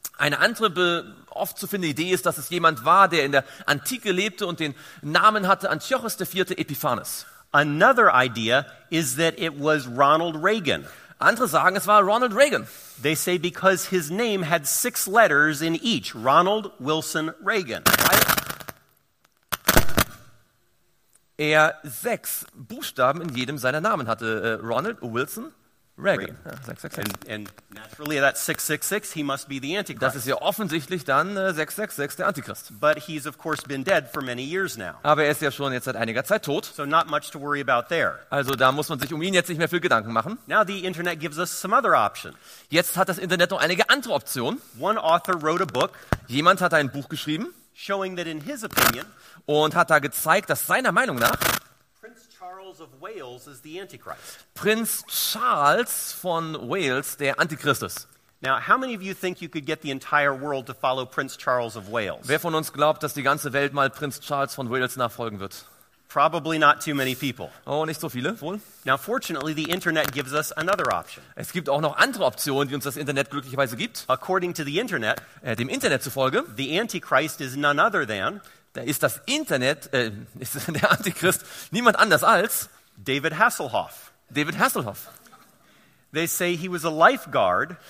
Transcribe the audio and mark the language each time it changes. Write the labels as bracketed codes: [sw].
[de] Eine andere oft zu findende Idee ist, dass es jemand war, der in der Antike lebte und den Namen hatte Antiochus der Vierte Epiphanes. [en] Another idea is that it was Ronald Reagan. [de] Andere sagen, es war Ronald Reagan. [en] They say because his name had six letters in each, Ronald Wilson Reagan. Right? [de] Er sechs Buchstaben in jedem seiner Namen hatte, Ronald Wilson Reagan. [en] And naturally that 666, he must be the Antichrist. [de] Das ist ja offensichtlich dann 666, der Antichrist. [en] But he's of course been dead for many years now. [de] Aber er ist ja schon jetzt seit einiger Zeit tot. [en] So not much to worry about there. [de] Also da muss man sich um ihn jetzt nicht mehr viel Gedanken machen. [en] Now the internet gives us some other option. [de] Jetzt hat das Internet noch einige andere Optionen. [en] One author wrote a book. [de] Jemand hat ein Buch geschrieben. [en] Showing that in his opinion. [de] Und hat da gezeigt, dass seiner Meinung nach [en] of Wales is the Antichrist. [de] Prinz Charles von Wales, der Antichrist ist. [en] Now, how many of you think you could get the entire world to follow Prince Charles of Wales? [de] Wer von uns glaubt, dass die ganze Welt mal Prinz Charles von Wales nachfolgen wird? [en] Probably not too many people. [de] Oh, nicht so viele, wohl. [en] Now, fortunately, the internet gives us another option. [de] Es gibt auch noch andere Optionen, die uns das Internet glücklicherweise gibt. [en] According to the internet, [de] dem Internet zufolge, [en] the Antichrist is none other than, [de] da ist das Internet, ist der Antichrist niemand anders als [en] David Hasselhoff. [de] David Hasselhoff. [en] They say he was a lifeguard.